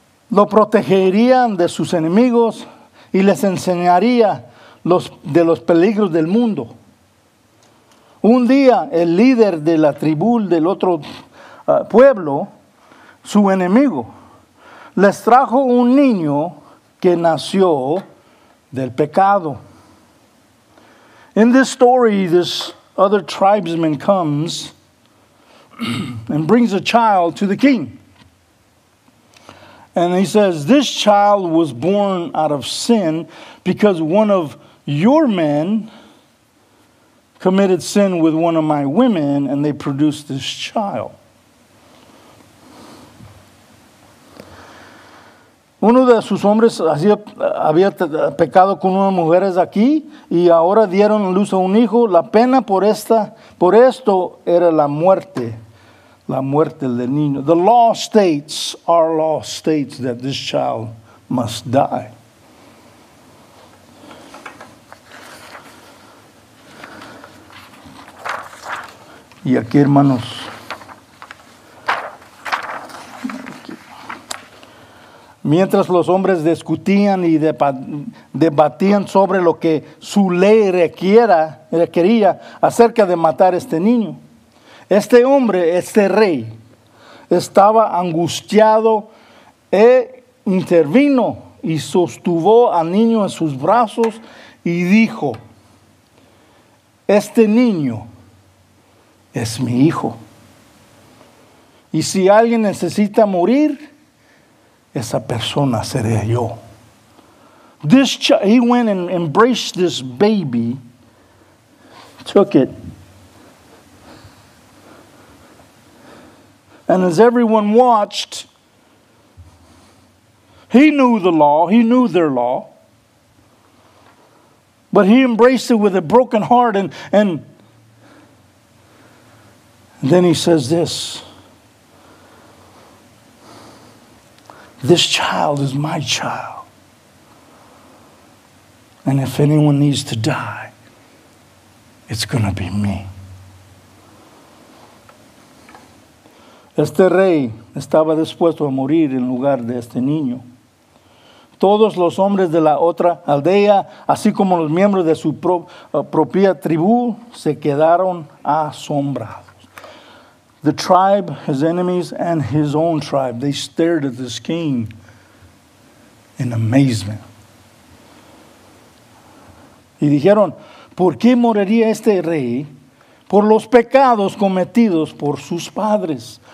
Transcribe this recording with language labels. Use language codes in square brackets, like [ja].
[es] Lo protegerían de sus enemigos y les enseñaría de los peligros del mundo. Un día, el líder de la tribu del otro pueblo, su enemigo, les trajo un niño que nació del pecado. [en] In this story, this other tribesman comes and brings a child to the king. And he says, this child was born out of sin because one of your men committed sin with one of my women and they produced this child. [es] Uno de sus hombres había pecado con unas mujeres aquí y ahora dieron luz a un hijo. La pena por esto era la muerte del niño. [en] The law states, our law states that this child must die. [es] Y aquí, hermanos, mientras los hombres discutían y debatían sobre lo que su ley requería acerca de matar a este niño, este hombre, este rey, estaba angustiado e intervino y sostuvo al niño en sus brazos y dijo, este niño es mi hijo. Y si alguien necesita morir, esa persona seré yo. [en] He went and embraced this baby, took it. And as everyone watched, he knew the law, he knew their law. But he embraced it with a broken heart and then he says this. This child is my child. And if anyone needs to die, it's going to be me. [es] Este rey estaba dispuesto a morir en lugar de este niño. Todos los hombres de la otra aldea, así como los miembros de su propia tribu, se quedaron asombrados. [en] The tribe, his enemies, and his own tribe, they stared at this king in amazement. [es] Y dijeron, ¿por qué moriría este rey? Por los pecados cometidos por sus padres.